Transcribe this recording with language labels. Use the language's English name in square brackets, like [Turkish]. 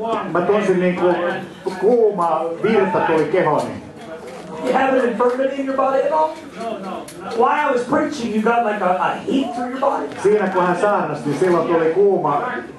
[Finnish] Mä tunsin niin kuin kuuma virta tuli kehoni. [English] You have an infirmity in your body at all? No. While I was preaching, you got like a heat through your body? [Finnish] Siinä kun hän saarnasi, niin silloin tuli kuuma.